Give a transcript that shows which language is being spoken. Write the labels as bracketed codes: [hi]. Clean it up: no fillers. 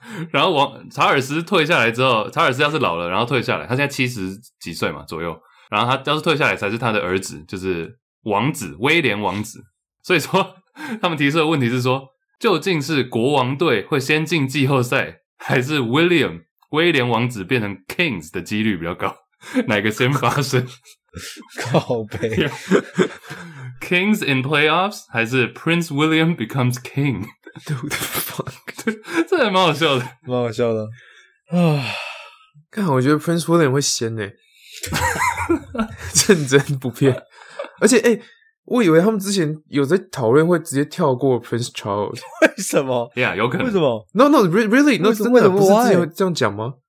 [zh] 然后查尔斯退下来之后，查尔斯要是老了然后退下来，他现在70几岁嘛左右，然后他要是退下来才是他的儿子，就是王子威廉王子，所以说他们提出的问题是说，究竟是国王队会先进季后赛，还是威廉王子变成 Kings 的几率比较高，哪个先发生？靠北 [en] Kings in playoffs [zh] 还是 [en] Prince William becomes King？ Dude, fuck， [zh] 这还蛮好笑的，蛮好笑的啊！看，我觉得 Prince William 会先呢、欸，认真不骗。而且，哎、欸，我以为他们之前有在讨论会直接跳过 Prince Charles，为什么？呀、 [en] yeah, [zh] ，有可能？为什么？ [en] No, no, really, no， [zh] 真的不是之前会这样讲吗？